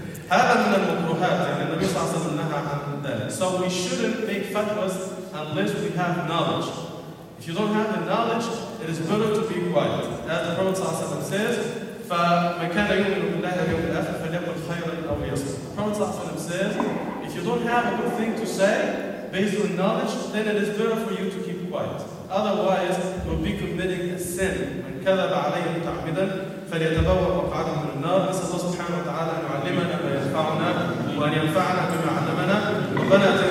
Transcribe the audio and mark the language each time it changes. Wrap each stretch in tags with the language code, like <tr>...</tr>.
<ar>هذا من المكروهات يعني النبي صلى الله عليه وسلم نهى عن ذلك.</ar> <en>So we shouldn't make fatwas unless we have knowledge. If you don't have the knowledge, it is better to be quiet. As the Prophet</en> <ar>صلى الله عليه وسلم</ar> <en>says,</en> <ar>فمن كان يؤمن بالله واليوم الآخر فليقل خيرا أو يصمت.</ar> <en>The Prophet</en> <ar>صلى الله عليه وسلم</ar> <en>says, if you don't have a good thing to say based on knowledge, then it is better for you to keep quiet. Otherwise, you'll be committing a sin.</en> <ar>من كذب عليه متعمدا فليتبوأ مقعده من النار. نسأل الله سبحانه وتعالى أن يعلمنا ما ينفعنا وأن ينفعنا بما علمنا ربنا.</ar>